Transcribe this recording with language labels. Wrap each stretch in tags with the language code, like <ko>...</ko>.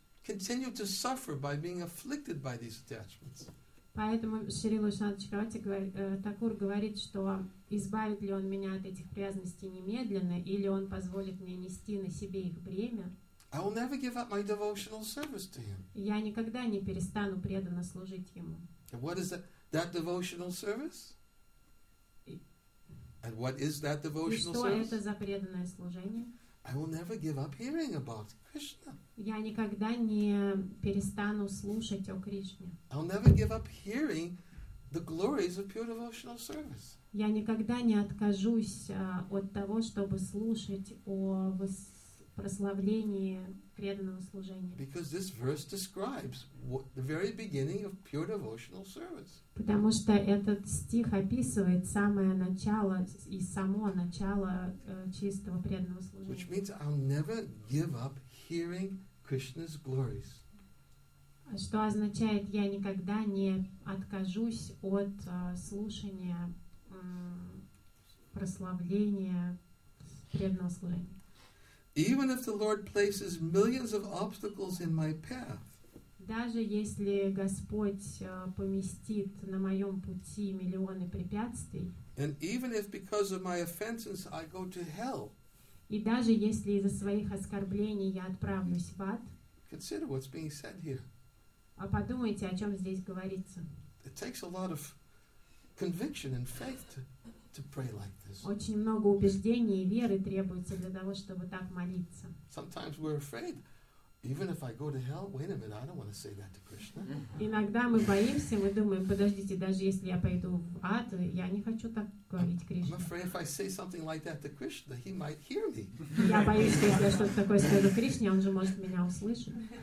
<en>continue to suffer by being afflicted by these attachments.</en> <ru>Поэтому Шрила Шанчарати Такур говорит, что избавит ли он меня от этих привязанностей немедленно, или он позволит мне нести на себе их бремя.</ru> <en>I will never give up my devotional service to him.</en> <ru>Я никогда не перестану преданно служить ему.</ru> <en>And what is that devotional service? And what is that devotional service?</en> <ru>И что это за преданное служение?</ru> <en>I will never give up hearing about Krishna.</en> <ru>Я никогда не перестану слушать о Кришне.</ru> <en>I will never give up hearing the glories of pure devotional service.</en> <ru>Я никогда не откажусь от того, чтобы слушать о прославлении преданного служения.</ru> <en>Because this verse describes the very beginning of pure devotional service.</en> <ru>Потому что этот стих описывает самое начало и само начало чистого преданного служения.</ru> <en>Which means I'll never give up hearing Krishna's glories.</en> <ru>Что означает, я никогда не откажусь от слушания прославления преданного служения.</ru> <en>Even if the Lord places millions of obstacles in my path,</en> <ru>даже если Господь поместит на моем пути миллионы препятствий,</ru> <en>and even if because of my offenses I go to hell,</en> <ru>и даже если из-за своих оскорблений я отправлюсь в ад,</ru> <en>consider what's being said here.</en> <ru>А подумайте, о чем здесь говорится.</ru> <en>It takes a lot of conviction and faith to pray like this.</en> <ru>Очень много убеждений и веры требуется для того, чтобы так молиться.</ru> <en>Sometimes we're afraid, even if I go to hell, wait a minute, I don't want to say that to Krishna.</en> <ru>Иногда мы боимся, мы думаем, подождите, даже если я пойду в ад, я не хочу так говорить Кришне.</ru> <en>I'm afraid if I say something like that to Krishna, he might hear me.</en> <ru>Я боюсь, что если я что-то такое скажу Кришне, он же может меня услышать.</ru>